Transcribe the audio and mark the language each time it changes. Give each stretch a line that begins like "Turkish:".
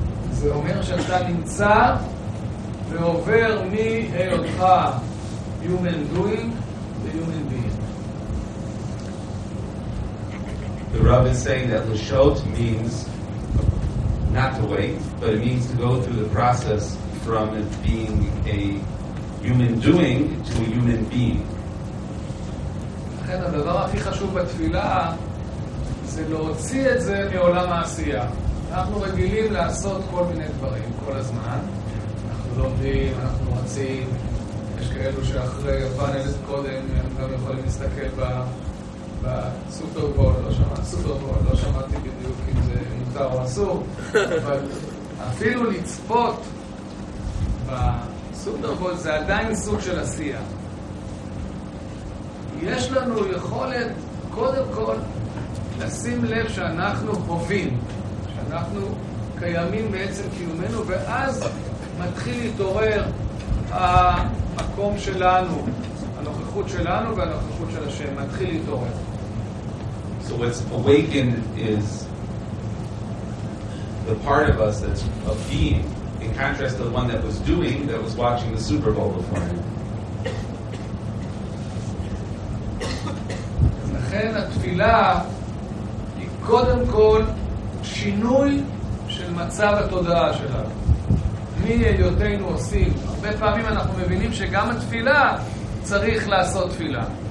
Hebrew: זה אומר שאתה נמצא ועובר מהיותך
English: human doing
Hebrew: ל-
English: human being. The Rav is saying that Lashot means not to wait, but it means to go through the process from being a human doing to a human being.
Hebrew: לכן הדבר הכי חשוב בתפילה זה להוציא את זה מעולם העשייה. אנחנו רגילים לעשות כל מיני דברים כל הזמן. אנחנו לומדים, אנחנו רוצים. יש כאלו שאחרי הפאנל קודם הם גם יכולים להסתכל בסופרבול, לא שמעתי סופרבול, לא שמעתי בדיוק אם זה מותר או אסור, אבל אפילו לצפות בסופרבול זה עדיין סוג של עשייה. יש לנו יכולת קודם כל לשים לב שאנחנו חווים, אנחנו קיימים בעצם קיומנו, ואז מתחיל להתעורר המקום שלנו, הנוכחות שלנו והנוכחות של השם, מתחיל להתעורר.
English: So what's awakened is the part of us that's a being, in contrast to the one that was doing, that was watching the Super Bowl before.
Hebrew: לכן התפילה היא קודם כל שינוי של מצב התודעה שלנו. מי היותנו עושים? הרבה פעמים אנחנו מבינים שגם התפילה צריך לעשות תפילה.